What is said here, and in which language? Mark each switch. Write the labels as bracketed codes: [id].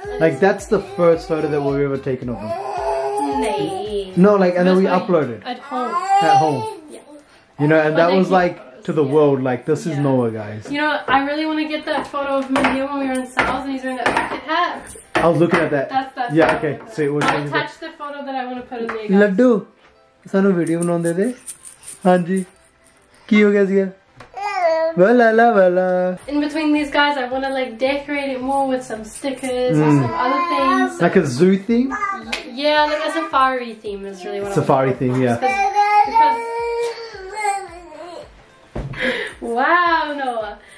[en] Like, that's the first photo that we've ever taken of them. No, like, and then we uploaded. At home. Yeah. You know, and that was, like, to the world, like, this is Noah, guys. You know, I really want to get that photo of Mandy when we were in South and he's wearing that bucket hat. I was looking at that. That's yeah, okay. So it was. I'll attach the photo that I want to put in there. [pa] ਲੱਡੂ, ਸਾਨੂੰ video ਬਣਾਉਣ ਦੇ ਦੇ। Hanji. ਕੀ ਹੋ ਗਿਆ ਸੀਆ? Wala la wala. [en] In between these guys, I want to like decorate it more with some stickers or some other things. Like a zoo theme? Yeah, like a safari theme is really what I want. Safari theme, yeah. Wow, Noah.